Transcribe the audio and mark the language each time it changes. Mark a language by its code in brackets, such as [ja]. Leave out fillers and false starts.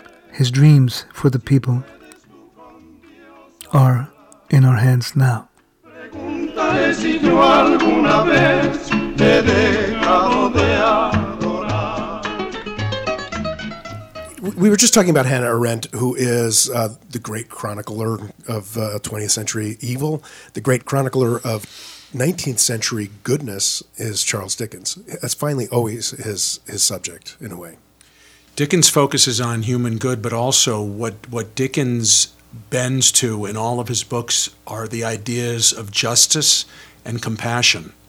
[en] His dreams for the people are in our hands now. [es] Preguntaré si yo alguna vez he dejado de adorar. [en] We were just talking about Hannah Arendt, who is the great chronicler of 20th century evil. The great chronicler of 19th century goodness is Charles Dickens. That's finally always his subject, in a way. Dickens focuses on human good, but also what Dickens bends to in all of his books are the ideas of justice and compassion.